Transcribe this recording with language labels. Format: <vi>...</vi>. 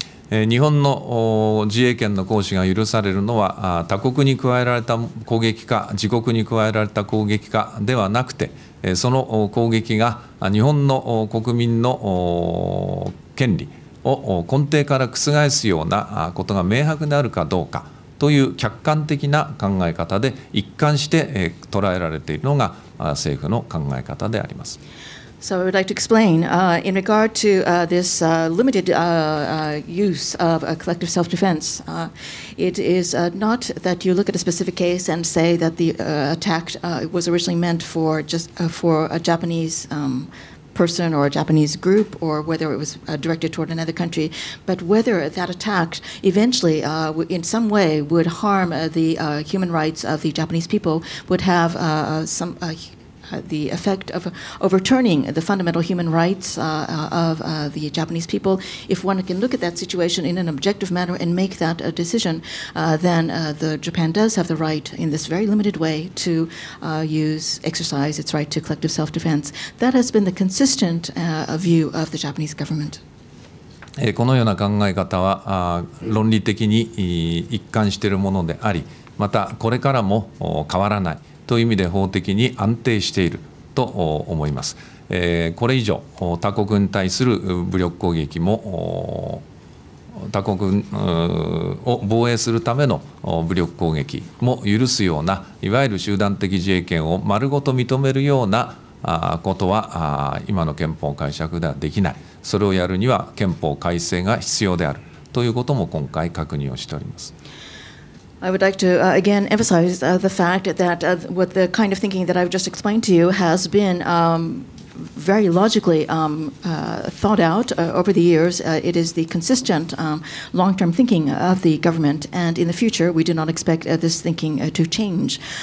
<ja>日本の自衛権の行使が許されるのは他国に加えられた攻撃か自国に加えられた攻撃かではなくて、その攻撃が日本の国民の権利を根底から覆すようなことが明白であるかどうかという客観的な考え方で一貫して捉えられているのが政府の考え方であります。</ja> <en>So I would like to explain in regard to this limited use of collective self-defense. It is not that you look at a specific case and say that the attack was originally meant for just for a Japanese person or a Japanese group, or whether it was directed toward another country, but whether that attack eventually in some way would harm the human rights of the Japanese people, would have some... the effect of overturning the fundamental human rights of the Japanese people. If one can look at that situation in an objective manner and make that a decision, then the Japan does have the right in this very limited way to exercise its right to collective self-defense. That has been the consistent view of the Japanese government.</en> <ja>このような考え方は論理的に一貫しているものであり、またこれからも変わらない。という意味で法的に安定していると思います。これ以上他国に対する武力攻撃も他国を防衛するための武力攻撃も許すような、いわゆる集団的自衛権を丸ごと認めるようなことは今の憲法解釈ではできない。それをやるには憲法改正が必要であるということも今回確認をしております。</ja> <en>I would like to again emphasize the fact that what the kind of thinking that I've just explained to you has been very logically thought out over the years. It is the consistent long-term thinking of the government, and in the future we do not expect this thinking to change.</en>